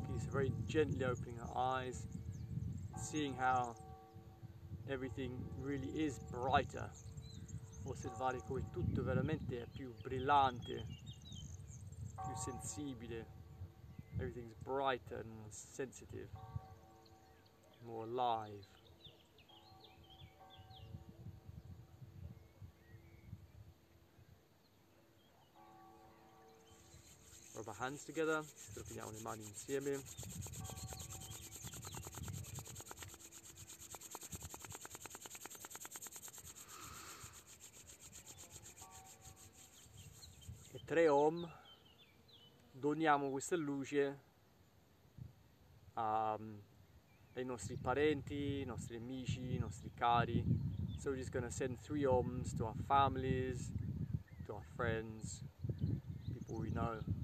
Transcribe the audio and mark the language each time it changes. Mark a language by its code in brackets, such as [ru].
[en] Very gently opening her eyes, seeing how everything really is brighter. [it] Osservare come tutto veramente è più brillante, più sensibile. [en] Everything's brighter and more sensitive, more alive. Rub our hands together, [it] stroppiamo le mani insieme. E tre om, doniamo questa luce ai nostri parenti, ai nostri amici, ai nostri cari. [en] So we're just going to send three oms to our families, to our friends, people we know.